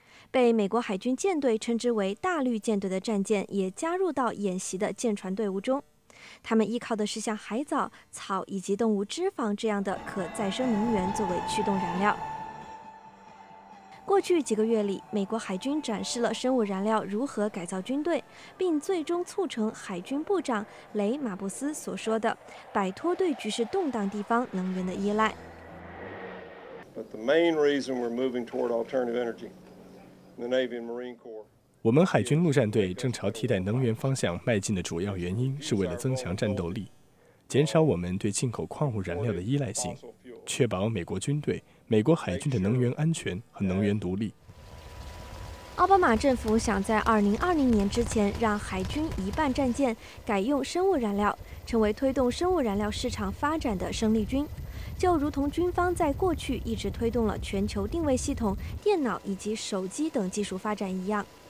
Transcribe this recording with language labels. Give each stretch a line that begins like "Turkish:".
Chinese: 被美国海军舰队称之为大绿舰队的战舰也加入到演习的舰船队伍中，他们依靠的是像海藻、草以及动物脂肪这样的可再生能源作为驱动燃料。过去几个月里，美国海军展示了生物燃料如何改造军队，并最终促成海军部长雷·马布斯所说的摆脱对局势动荡地方能源的依赖。
English: But the main reason we're moving toward alternative energy, the Navy and Marine Corps.
Chinese: 我们海军陆战队正朝替代能源方向迈进的主要原因是为了增强战斗力，减少我们对进口矿物燃料的依赖性，确保美国军队、美国海军的能源安全和能源独立。奥巴马政府想在2020年之前让海军一半战舰改用生物燃料，成为推动生物燃料市场发展的生力军，就如同军方在过去一直推动了全球定位系统、电脑以及手机等技术发展一样。